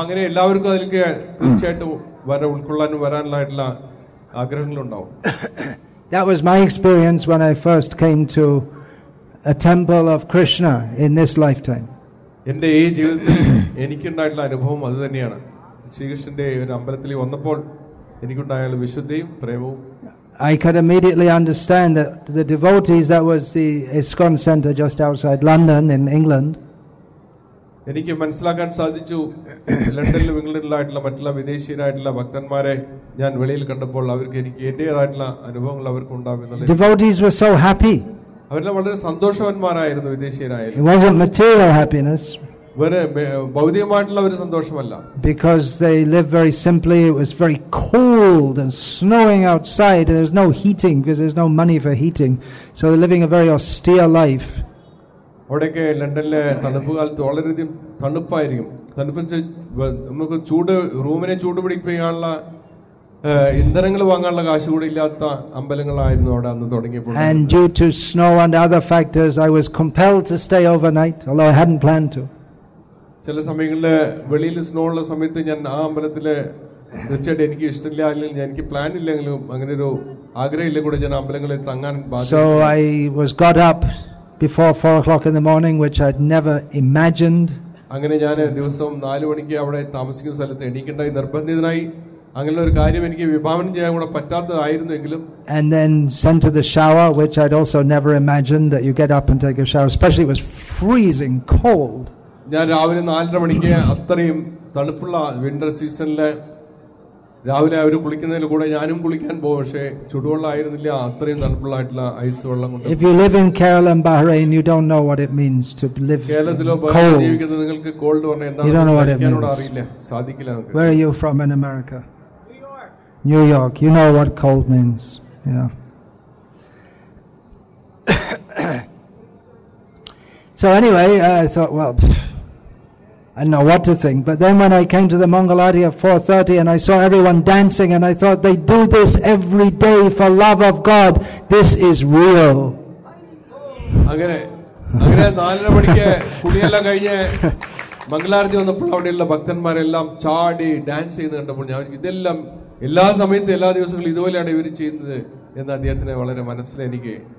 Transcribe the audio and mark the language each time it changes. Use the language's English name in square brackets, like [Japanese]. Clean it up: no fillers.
[Malayalam] അങ്ങനെ എല്ലാവർക്കും അതിലേക്ക് തീർച്ചയായിട്ടും വരെ ഉൾക്കൊള്ളാനും വരാനുള്ളതായിട്ടുള്ള ആഗ്രഹങ്ങളുണ്ടാവും. [English] That was my experience when I first came to a temple of Krishna in this lifetime. [Malayalam] എന്റെ ഈ ജീവിതത്തിൽ എനിക്കുണ്ടായിട്ടുള്ള അനുഭവം അതുതന്നെയാണ്. ശ്രീകൃഷ്ണന്റെ ഒരു അമ്പലത്തിൽ വന്നപ്പോൾ എനിക്കുണ്ടായ വിശുദ്ധിയും പ്രേമവും. [English] I could immediately understand that the devotees, that was the ISKCON center just outside London in England. [Malayalam] എനിക്ക് മനസ്സിലാക്കാൻ സാധിച്ചു ലണ്ടനിലും ഇംഗ്ലണ്ടിലായിട്ടുള്ള മറ്റുള്ള വിദേശീയരായിട്ടുള്ള ഭക്തന്മാരെ ഞാൻ വെളിയിൽ കണ്ടപ്പോൾ അവർക്ക് എനിക്ക് എന്റേതായിട്ടുള്ള അനുഭവങ്ങൾ അവർക്ക് ഉണ്ടാവുന്നുണ്ട്. അവരെല്ലാം വളരെ സന്തോഷവന്മാരായിരുന്നു വിദേശീയരായ. [English] It wasn't material happiness. [Malayalam] ഭൗതികമായിട്ടുള്ള ഒരു സന്തോഷമല്ല. [English] Because they live very simply, it was very cold and snowing outside, there was no heating because there's no money for heating, so they're living a very austere life. [Malayalam] അവിടെയൊക്കെ ലണ്ടനിലെ തണുപ്പ് കാലത്ത് വളരെയധികം തണുപ്പായിരിക്കും. തണുപ്പ് നമുക്ക് ചൂട് റൂമിനെ ചൂട് പിടിക്കാനുള്ള ഇന്ധനങ്ങൾ വാങ്ങാനുള്ള കാശ് കൂടി ഇല്ലാത്ത അമ്പലങ്ങളായിരുന്നു അവിടെ അന്ന് തുടങ്ങിയപ്പോൾ. [English] And due to snow and other factors, I was compelled to stay overnight, although I hadn't planned to. [Malayalam] ചില സമയങ്ങളിൽ വെളിയിൽ സ്നോ ഉള്ള സമയത്ത് ഞാൻ ആ അമ്പലത്തില് തീർച്ചയായിട്ടും എനിക്ക് ഇഷ്ടമില്ല, അല്ലെങ്കിൽ എനിക്ക് പ്ലാൻ ഇല്ലെങ്കിലും അങ്ങനെ ഒരു ആഗ്രഹമില്ല കൂടെ ഞാൻ അമ്പലങ്ങളിൽ തങ്ങാൻ ബാധ്യതയുണ്ട്. [English] Before 4 o'clock in the morning, which I'd never imagined. [Malayalam] അങ്ങനെ ഞാൻ ദിവസം 4 മണിക്ക് അവിടെ താമസിക്കുന്ന സ്ഥലത്ത് എണീക്കണ്ടായി നിർബന്ധിതനായി. അങ്ങനെ ഒരു കാര്യം എനിക്ക് വിഭാവനം ചെയ്യാൻ കൂടെ പറ്റാത്തതായിരുന്നെങ്കിലും. [English] And then sent to the shower, which I'd also never imagined that you get up and take a shower, especially it was freezing cold. [Malayalam] ഞാൻ രാവിലെ 4:30 മണിക്ക് അത്രയും തണുപ്പുള്ള വിന്റർ സീസണില് രാവിലെ അവർ കുളിക്കുന്നതിൽ കൂടെ ഞാനും കുളിക്കാൻ പോകും, പക്ഷേ ചൂടുവെള്ളമായിരുന്നില്ല, അത്രയും തണുപ്പുള്ളതായിട്ടുള്ള ഐസ് വെള്ളം കൊണ്ട്. [English] If you live in Kerala and Bahrain, you don't know what it means to live [Malayalam] കേരളത്തിലോ ബഹറൈനിലോ ജീവിക്കുന്ന നിങ്ങൾക്ക് കോൾഡ് പറഞ്ഞാൽ എന്താണ്, എനിക്കതിനോട് അറിയില്ല, സാധിക്കില്ല. [English] Where are you from in America? New York. You know what cold means. Yeah. So anyway, I thought, well, I don't know what to think, but then when I came to the Mangalarti at 4:30 and I saw everyone dancing and I thought, they do this every day for love of God, this is real. [Malayalam] അങ്ങനെ 4:30 മണിക്ക് കുളിയെല്ലാം കഴിഞ്ഞ് മംഗളാരതി വന്നപ്പോൾ അവിടെയുള്ള ഭക്തന്മാരെല്ലാം ചാടി dance ചെയ്യുന്ന കണ്ടപ്പോൾ ഞാൻ, ഇതെല്ലാം എല്ലാ സമയത്തും എല്ലാ ദിവസങ്ങളും ഇതുപോലെയാണ് ഇവർ ചെയ്യുന്നത് എന്ന് അദ്ദേഹത്തിന് വളരെ മനസ്സിലെനിക്ക്.